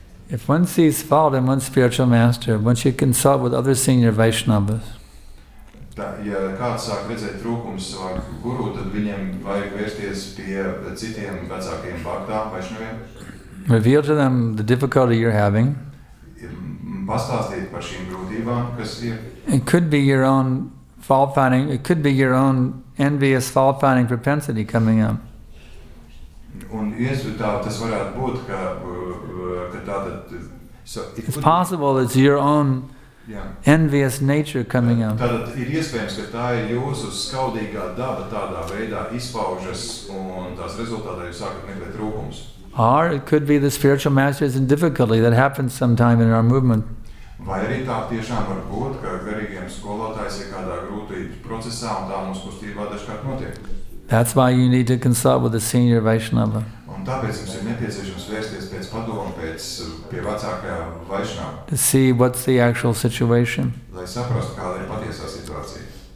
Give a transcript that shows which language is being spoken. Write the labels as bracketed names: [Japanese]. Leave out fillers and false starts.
[English] If one sees fault in one spiritual master, one should consult with other senior Vaishnavas. [Latvian] Ja kāds sāk redzēt trūkumus savā guru, tad viņiem vajag vērsties pie citiem vecākiem bhaktām, vaiņiem. [English] Reveal to them the difficulty you're having. [Latvian] Pastāstīt par šīm grūtībām, kas ir. [English] It could be your own fault finding, it could be your own envious fault finding propensity coming up. [Latvian] Un tas varētu būt, ka tātad [English] so it's possible it's your own Yeah. Envious nature coming up. [Latvian] Tad ir iespējams, ka tā ir jūsu skaudīgā daba tādā veidā izpaužas un tās rezultātā jūs sākat meklēt trūkums. [English] Or it could be the spiritual masters in difficulty that happens sometime in our movement. [Latvian] Vai arī tā tiešām var būt, ka garīgiem skolotājs ir kādā grūtības procesā un tā mums kustībā dažkārt notiek. [English] That's why you need to consult with a senior Vaishnava. [Latvian] Un tāpēc jums ir nepieciešams vērsties pēc padomu pie vecākā Vaishnava. [English] To see what's the actual situation. [Latvian] Lai saprastu, kāda ir patiesā situācija.